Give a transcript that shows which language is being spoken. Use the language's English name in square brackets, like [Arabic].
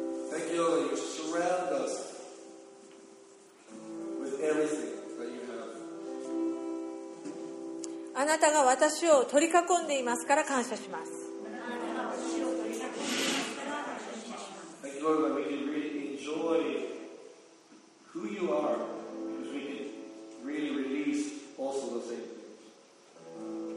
[English] Thank you, Lord. You surround us with everything that you have. [Japanese] あなたが私を取り囲んでいますから感謝します。 [English] Thank you, Lord, that we can really enjoy. Who you are, because we can really release also the same things.